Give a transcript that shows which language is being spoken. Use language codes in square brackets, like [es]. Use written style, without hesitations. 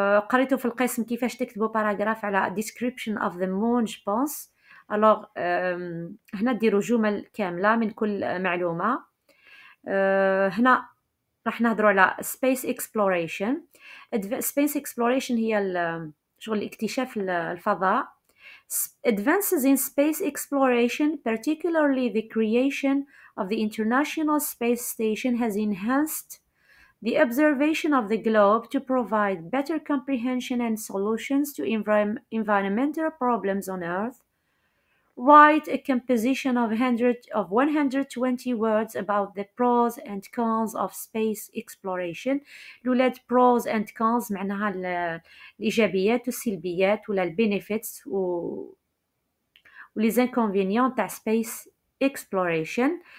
[ar] قريتوا في القسم كيفاش تكتبوا باراغراف على [en] description of the moon [ar] جبونس. الوغ هنا ديروا جمل كاملة من كل معلومة. هنا راح نهضروا على space exploration. Space exploration هي شغل اكتشاف الفضاء. [en] Advances in space exploration, particularly the creation of the International Space Station, has enhanced the observation of the globe to provide better comprehension and solutions to environmental problems on Earth. Write a composition of 120 words about the pros and cons of space exploration. [ar] لولاد [en] pros and cons [ar] معناها الإيجابيات والسلبيات ولا البنفيتس و [fr] les inconvenients [ar] تاع space exploration.